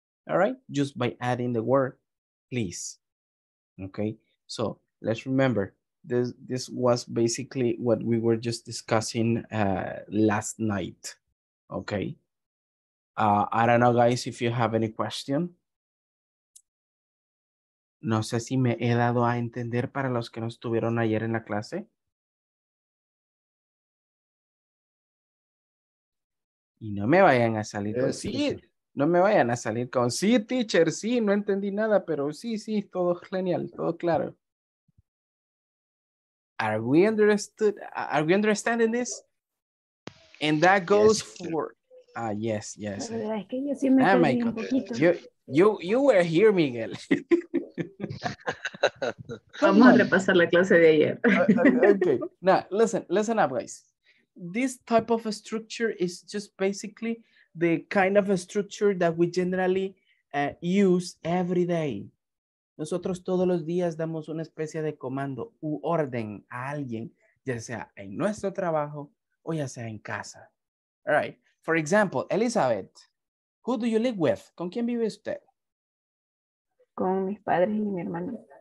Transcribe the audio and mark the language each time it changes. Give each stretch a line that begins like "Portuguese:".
English: All right, just by adding the word please. Okay, so let's remember, this was basically what we were just discussing last night. Okay, I don't know, guys, if you have any question.
Spanish: No sé si me he dado a entender para los que no estuvieron ayer en la clase. Y no me vayan a salir con sí. No me vayan a salir con sí, teacher, sí, no entendí nada, pero sí, sí, todo genial, todo claro.
English: Are we understanding this? And that goes yes. For... yes, yes.
Spanish: La verdad es que yo sí me
English: you were here, Miguel.
Spanish: Vamos a repasar la clase de ayer.
English: Okay. Now, listen up, guys. This type of a structure is just basically the kind of a structure that we generally use every day.
Spanish: Nosotros todos los días damos una especie de comando u orden a alguien, ya sea en nuestro trabajo o ya sea en casa.
English: All right. For example, Elizabeth, who do you live with?
Spanish: ¿Con quién vive usted? Con mis padres y mi hermano.